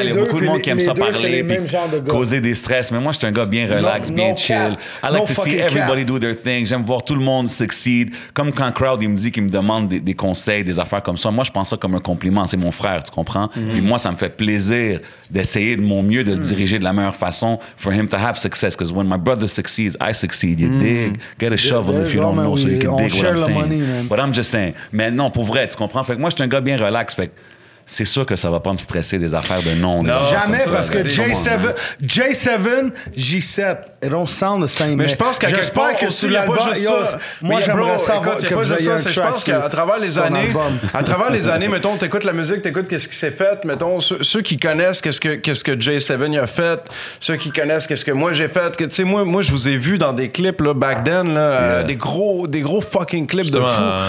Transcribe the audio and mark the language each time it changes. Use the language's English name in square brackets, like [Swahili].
[French] Il y a beaucoup de monde qui aime ça parler, causer des stress. Mais moi, je suis un gars bien relax, bien chill. [English] I like to see everybody do their thing. [French] J'aime voir tout le monde succeed. Comme quand Crowd, il me dit qu'il me demande des conseils, des affaires comme ça. Moi, je pense ça comme un compliment. C'est mon frère, tu comprends? Mm-hmm. Puis moi, ça me fait plaisir d'essayer de mon mieux, de le diriger de la meilleure façon [English] for him to have success. Because when my brother succeeds, I succeed. You dig? Get a shovel if you don't know so you can dig what I'm saying. But I'm just saying. [French] Mais non, pour vrai, tu comprends? Fait que moi, je suis un gars bien relax. Fait que c'est sûr que ça va pas me stresser des affaires de nom. Non, jamais, parce que J7, J7, [English] it don't sound the same. [French] Mais je pense qu'à quelque part, que aussi, il y a pas juste ça. Moi, j'aimerais savoir que vous ayez un track. Je pense qu'à travers les années, mettons, t'écoutes la musique, t'écoutes qu'est-ce qui s'est fait, mettons, ceux qui connaissent qu'est-ce que J7 a fait, ceux qui connaissent qu'est-ce que moi j'ai fait, tu sais, moi, je vous ai vu dans des clips, là, back then, là, des gros fucking clips de fou.